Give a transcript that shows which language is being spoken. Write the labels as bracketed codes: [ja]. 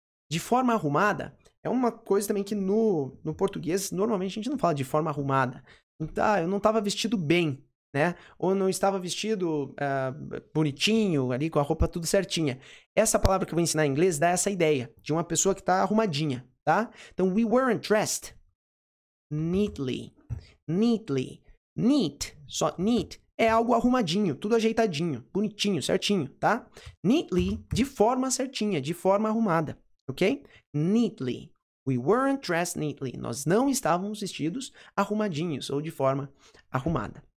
[pt] De forma arrumada é uma coisa também que no português normalmente a gente não fala de forma arrumada. Então, eu não estava vestido bem, né? Ou não estava vestido bonitinho, ali com a roupa tudo certinha. Essa palavra que eu vou ensinar em inglês dá essa ideia de uma pessoa que está arrumadinha, tá? Então, [en] we weren't dressed neatly. Neatly. Neat. [pt] Só neat é algo arrumadinho, tudo ajeitadinho, bonitinho, certinho, tá? Neatly, de forma certinha, de forma arrumada, ok? Neatly. [en] We weren't dressed neatly. [pt] Nós não estávamos vestidos arrumadinhos ou de forma arrumada.